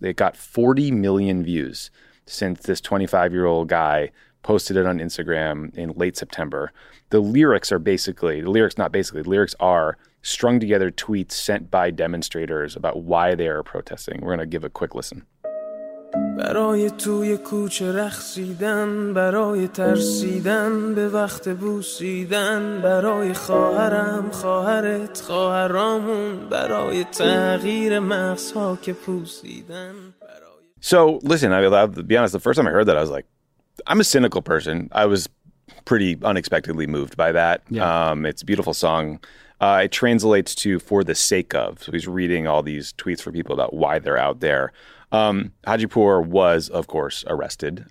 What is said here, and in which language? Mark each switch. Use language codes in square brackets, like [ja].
[en] It got 40 million views since this 25-year-old guy posted it on Instagram in late September. The lyrics are strung together tweets sent by demonstrators about why they are protesting. We're going to give a quick listen. [fa] برای توی کوچه رخصیدن برای ترسیدن به وقت بوسیدن برای خواهرم خواهرت خواهرامون برای تغییر مغزها که پوسیدن برای... [en] So listen, I'll be honest, the first time I heard that I was like, I'm a cynical person. I was pretty unexpectedly moved by that. Yeah. It's a beautiful song. It translates to for the sake of. So he's reading all these tweets for people about why they're out there. Hajipour was, of course, arrested.